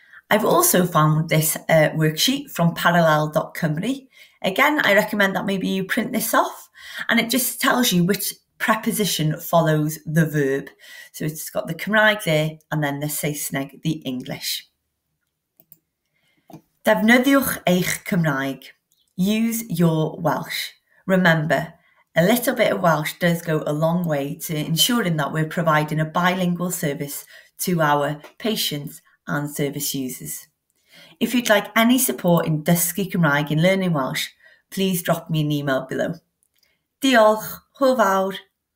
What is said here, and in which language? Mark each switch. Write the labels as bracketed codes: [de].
[en] I've also found this worksheet from parallel.cymru. Again, I recommend that maybe you print this off, and it just tells you which preposition follows the verb. So it's got the Cymraeg there and then the Saesneg, the English. [cy] Defnyddiwch eich Cymraeg. [en] Use your Welsh. Remember, a little bit of Welsh does go a long way to ensuring that we're providing a bilingual service to our patients and service users. If you'd like any support in [cy] dysgu Cymraeg [en] in learning Welsh, please drop me an email below. [cy] Diolch. Hwyl fawr.